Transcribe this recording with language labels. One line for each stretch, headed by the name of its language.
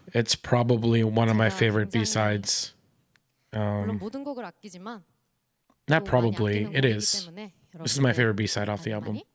English: It's probably one of my favorite B-sides.
Korean: 물론 모든 곡을 아끼지만
English: not probably, it is. This is my favorite B-side off the album.